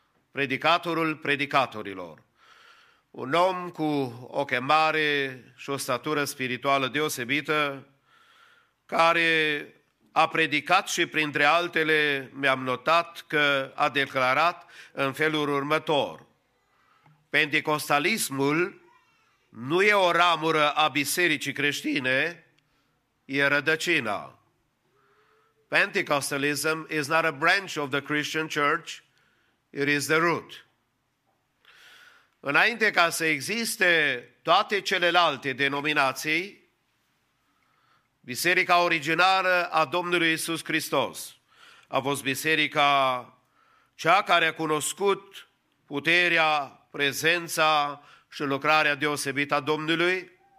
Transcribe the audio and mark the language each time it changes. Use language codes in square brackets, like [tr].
[ro] Predicatorul predicatorilor. Un om cu o chemare și o statură spirituală deosebită, care a predicat și printre altele mi-am notat că a declarat în felul următor: pentecostalismul nu e o ramură a bisericii creștine, e rădăcina. [en] Pentecostalism is not a branch of the Christian Church, it is the root. [ro] Înainte ca să existe toate celelalte denominații, biserica originară a Domnului Iisus Hristos a fost biserica cea care a cunoscut puterea, prezența și lucrarea deosebită a Domnului.